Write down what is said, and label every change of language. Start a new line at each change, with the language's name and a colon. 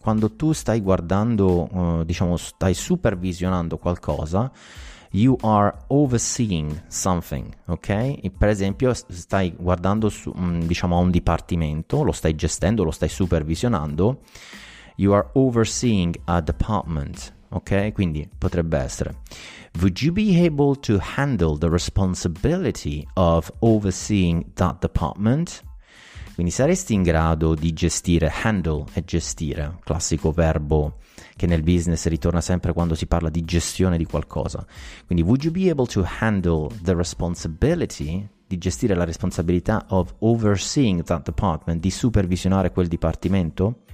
Italian: Quando tu stai guardando, diciamo, stai supervisionando qualcosa,
English: you are overseeing something,
Italian: ok? E per esempio stai guardando, diciamo, a un dipartimento, lo stai gestendo, lo stai supervisionando.
English: You are overseeing a department, ok?
Italian: Quindi potrebbe essere:
English: would you be able to handle the responsibility of overseeing that department?
Italian: Quindi saresti in grado di gestire, handle e gestire, classico verbo che nel business ritorna sempre quando si parla di gestione di qualcosa.
English: Quindi would you be able to handle the responsibility,
Italian: di gestire la responsabilità
English: of overseeing that department,
Italian: di supervisionare quel dipartimento?